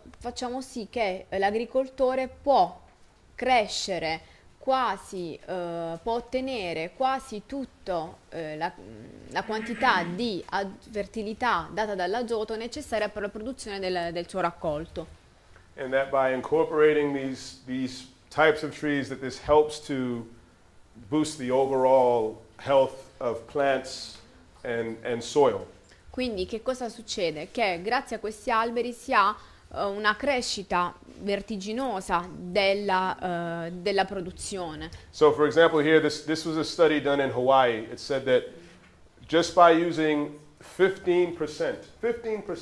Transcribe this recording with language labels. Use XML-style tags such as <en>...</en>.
<it>Facciamo sì che l'agricoltore può crescere quasi, può ottenere quasi tutto la quantità di fertilità data dall'azoto necessaria per la produzione del suo raccolto.</it> <en>And that by incorporating these types of trees that this helps to boost the overall health of plants and soil.</en> <it>Quindi che cosa succede? Che grazie a questi alberi si ha una crescita vertiginosa della produzione.</it> <en>So for example here this was a study done in Hawaii. It said that just by using 15%</en>